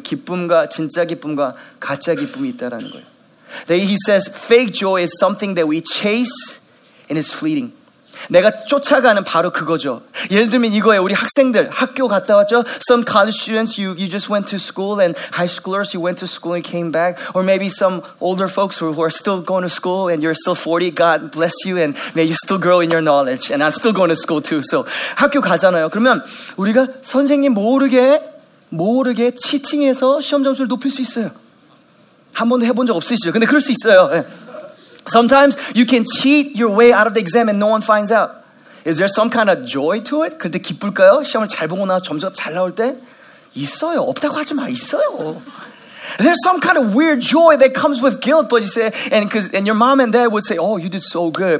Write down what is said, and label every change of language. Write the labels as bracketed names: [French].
[Korean] 기쁨과 진짜 기쁨과 가짜 기쁨이 있다라는 거예요. [English] He says fake joy is something that we chase and is fleeting. [Korean] 내가 쫓아가는 바로 그거죠. 예를 들면 이거예요. 우리 학생들 학교 갔다 왔죠? [English] Some college students, you just went to school and high schoolers, you went to school and came back. Or maybe some older folks who are still going to school and you're still 40. God bless you and may you still grow in your knowledge. And I'm still going to school too. So [Korean] 학교 가잖아요. 그러면 우리가 선생님 모르게 치팅해서 시험 점수를 높일 수 있어요. 한 번도 해본 적 없으시죠? 근데 그럴 수 있어요. [English] Sometimes you can cheat your way out of the exam and no one finds out. Is there some kind of joy to it? [Korean] 그때 기쁠까요? 시험을 잘 보고 나서 점수가 잘 나올 때? 있어요. 없다고 하지 마. 있어요. [English] There's some kind of weird joy that comes with guilt. But you say, and your mom and dad would say, oh, you did so good.